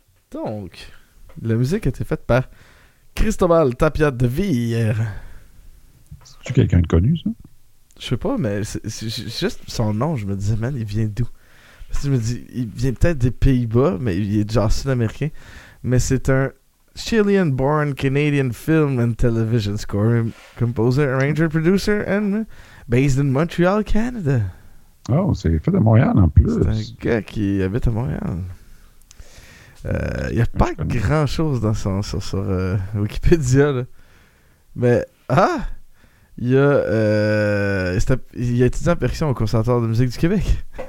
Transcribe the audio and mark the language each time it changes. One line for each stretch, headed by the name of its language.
French: Donc, la musique a été faite par Cristobal Tapia de Villar. C'est-tu quelqu'un de connu, ça? Je sais pas, mais c'est juste son nom, je me disais, man, il vient d'où? Je me dis, il vient peut-être des Pays-Bas, mais il est déjà sud-américain. Mais c'est un
English: Chilean-born Canadian film and television score composer, arranger, producer, and based in Montreal, Canada.
French: Oh, c'est fait à Montréal en plus. C'est un gars qui habite à Montréal. Il n'y a pas grand-chose dans son sur Wikipédia, là. Mais, ah! Il a étudié en percussion au Conservatoire de musique du Québec.